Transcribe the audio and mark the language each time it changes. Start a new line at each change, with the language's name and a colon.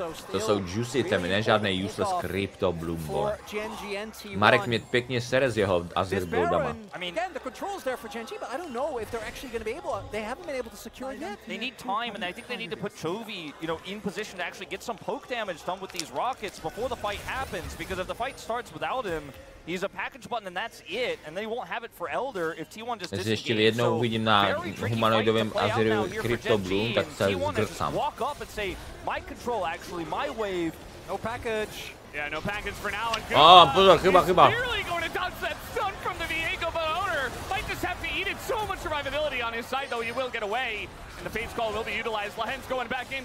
Czech: To jsou juicy temy, ne žádný useless crypto Bloomboard. Marek mě pěkně sere s jeho Azir Bloodama.
English: They need time, and I think they need to put Chovy, you know, in position to actually get some poke damage done with these rockets before the fight happens, because if the fight starts without him, he's a package button and that's it, and they won't have it for Elder if T1 just disengages.
Czech: Ještě jednou uvidím na humanoidovém Aziru Crypto Bloom, tak se zgrcám.
English: Walk up and say, my control actually, my wave, no package. Yeah, no package for now, and good luck. Oh, he's nearly going to dodge that stun from the Viego, but Owner might just have to eat it. So much survivability on his side, though, he will get away. And the phase call will be utilized. Lahen's going back in.